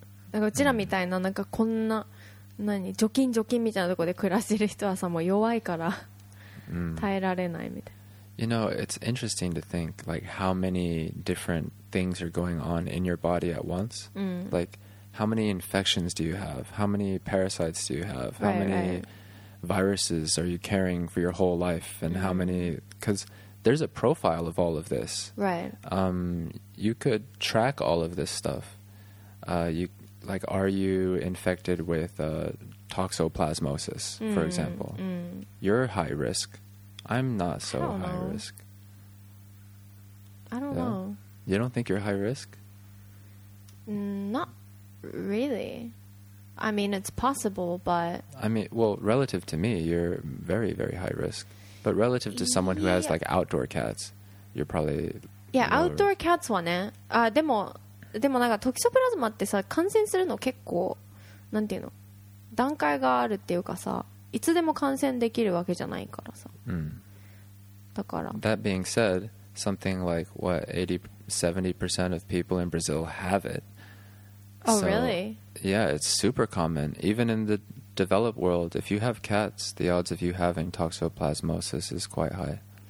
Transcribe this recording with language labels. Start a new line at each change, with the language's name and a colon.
Japanese: だからうちらみたいな、なんかこんな、何、除菌除菌みたいなとこで暮らしてる人はさ、もう弱いから耐えられないみたいな。
English: You know, it's interesting to think like how many different things are going on in your body at once. Like how many infections do you have? How many parasites do you have? How many viruses are you carrying for your whole life? And how many, because there's a profile of all of this. Right. You could track all of this stuff. You like, are you infected with toxoplasmosis, for example? You're high risk. I'm not so high risk. I don't know. You don't think you're high risk? Not really. I mean, it's possible, but... I mean, well, relative to me, you're very, very high risk. But relative to someone who has, like, outdoor cats, you're probably... Yeah, outdoor cats はね。
Japanese: あ、でも、でもなんかトキソプラズマってさ、感染するの結構、なんていうの、段階があるっていうかさ、いつでも感染できるわけじゃないからさ。だから。
English: That being said, something like, what, 80-70% of people in Brazil have it. Oh, so, really? Yeah, it's super common. Even in the developed world, if you have cats, the odds of you having toxoplasmosis is quite high.